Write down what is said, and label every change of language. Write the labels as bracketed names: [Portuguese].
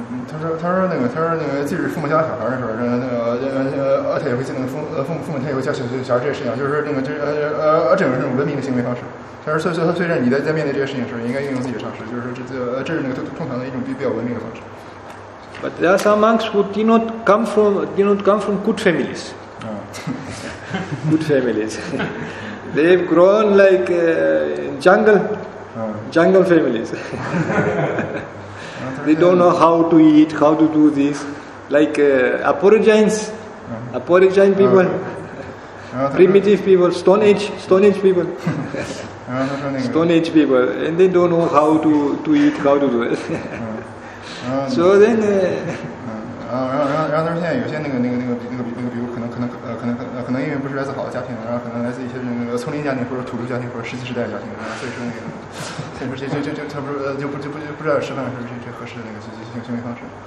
[Chinese] 他说那个，即使父母家小孩的时候，他也会进那个父母他也会教小孩这些事情，就是那个这种是文明的行为方式。他说虽然你在面对这些事情的时候，应该运用自己的常识，就是这是那个通常的一种比较文明的方式。 [English] But there are some monks who did not come from good families. good families. They've grown like jungle families. They don't know how to eat, how to do this. Like Aborigines people, primitive people, Stone Age people. Stone Age people. And they don't know how to eat, how to do it. So then, [Chinese] 然后他说现在有些那个，比如可能因为不是来自好的家庭，然后可能来自一些那个丛林家庭或者土著家庭或者石器时代的家庭，所以说这他不是就不知道吃饭是这合适的那个行为方式。